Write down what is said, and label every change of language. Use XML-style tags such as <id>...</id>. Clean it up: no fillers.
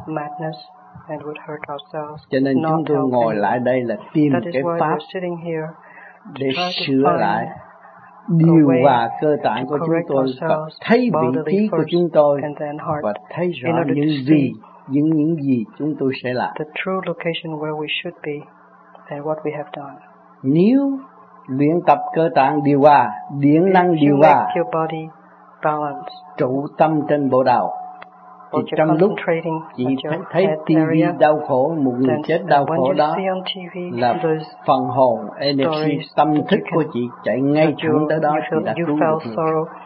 <en>Madness and would hurt ourselves.</en> <vi>Cho nên chúng tôi ngồi lại đây là tìm cái pháp để sửa lại điều hòa cơ tạng của chúng tôi, thấy vị trí của chúng tôi và thấy rõ những gì những gì chúng tôi sẽ làm.</vi> <en>The true location where we should be and what we have done.</en> <vi>Nếu luyện tập cơ tạng điều hòa, điện năng điều hòa,</vi> <en>your body balance,</en> <vi>trụ tâm trên bộ đầu, thì trong lúc chỉ thấy TV đau khổ, một người chết đau khổ đó</vi> <en>TV,</en> <vi>là phần hồn, energy, tâm thức của chị chạy ngay thẳng tới đó thì đã cứu được người.</vi>